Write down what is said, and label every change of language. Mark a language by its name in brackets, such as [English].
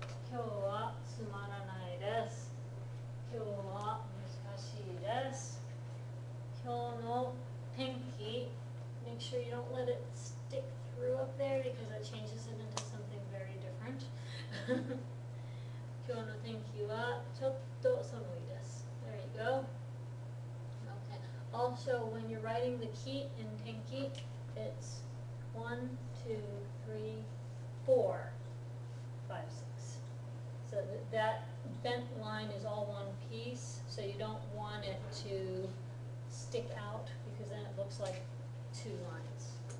[Japanese] 今日はつまらないです。今日は難しいです。今日の天気、 [English] make sure you don't let it stick through up there because it changes it into something very different. [Japanese] 今日の天気はちょっと寒いです。 [English] There you go. Okay. Also, when you're writing the key in 天気, it's 1, 2, 3, 4, 5, 6. So that bent line is all one piece, so you don't want it to stick out because then it looks like two lines.